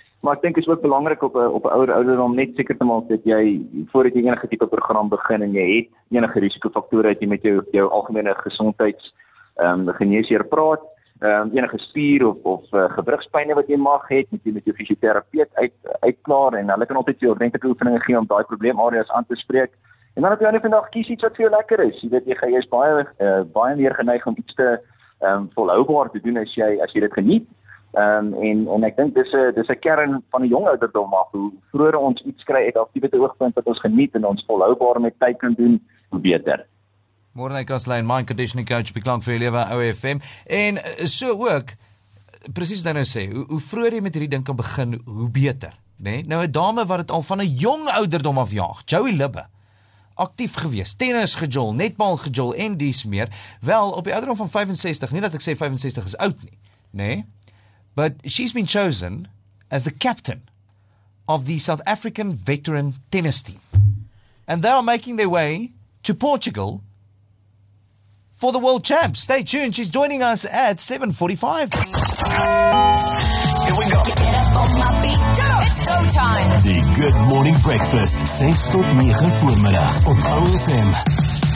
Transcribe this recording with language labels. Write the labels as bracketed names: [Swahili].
[Afrikaans] Maar ek dink is ook belangrik op 'n ouer ouderdom net seker te maak dat jy, voordat jy enige tipe program begin en jy het enige risikofaktore, dat jy met jou algemene gesondheids geneesheer praat, enige spier of gewrigspyne wat jy mag het, moet jy met jou fisioterapeut uitklaar, en hulle kan altyd jou ordentlike oefeninge gee om daai probleemareas aan te spreek. En dan op jou ander vandag, kies iets wat vir jou lekker is. Jy weet, jy is baie meer geneig om iets te volhoubaar te doen as jy dit geniet. En ek dink dis een kern van die jong ouderdom af, hoe vroeger ons iets kry, het actieve te oogpunt dat ons geniet en ons volhoudbaar met tyd kan doen, hoe beter. Morne Castelyn, mind conditioning coach, beklank vir jou lewe aan OFM. En so ook, precies wat hy nou sê, hoe vroeger jy met hierdie ding kan begin, hoe beter. Nee? Nou, een dame wat het al van een jong ouderdom afjaag, Joey Libbe, actief geweest, tennis gejol, netbal gejol en dies meer, wel, op die ouderdom van 65, nie dat ek sê 65 is oud nie, nee, but she's been chosen as the captain of the South African veteran tennis team. [English] And they are making their way to Portugal for the World Champs. Stay tuned, she's joining us at 7:45. Here we go. Get up on my feet. [Afrikaans] The Good Morning Breakfast, 6 tot 9 voormiddag op OFM.